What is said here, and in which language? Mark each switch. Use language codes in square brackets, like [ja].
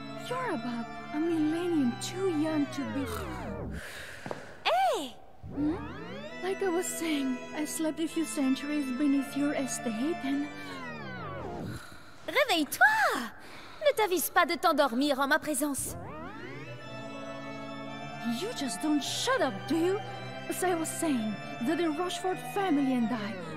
[en] You're about a millennium too young to be... Hey! Hmm? Like I was saying, I slept a few centuries beneath your estate and... [fr] Réveille-toi! Ne t'avise pas de t'endormir en ma présence. [en] You just don't shut up, do you? As I was saying, the Rochefort family and I...